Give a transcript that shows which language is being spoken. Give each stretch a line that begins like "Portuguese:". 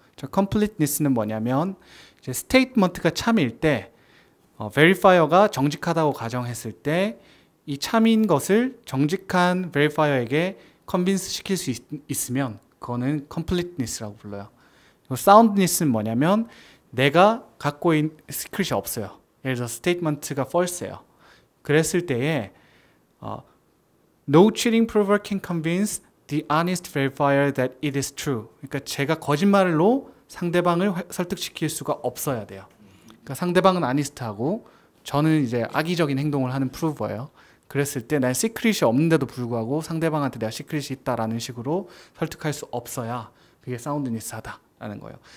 Korean: 저 컴플리트니스는 뭐냐면 이제 스테이트먼트가 참일 때 베리파이어가 정직하다고 가정했을 때 이 참인 것을 정직한 베리파이어에게 컨빈스 시킬 수 있으면 그거는 컴플리트니스라고 불러요. 그리고 사운드니스는 뭐냐면 내가 갖고 있는 시크릿이 없어요. 예를 들어 스테이트먼트가 false예요. 그랬을 때에
English: no cheating prover can convince the honest verifier that it is true.
Korean: 그러니까 제가 거짓말로 상대방을 설득시킬 수가 없어야 돼요. 그러니까 상대방은 honest하고 저는 이제 악의적인 행동을 하는 prover예요. 그랬을 때 난 시크릿이 없는데도 불구하고 상대방한테 내가 시크릿이 있다라는 식으로 설득할 수 없어야 그게 soundness하다라는 거예요.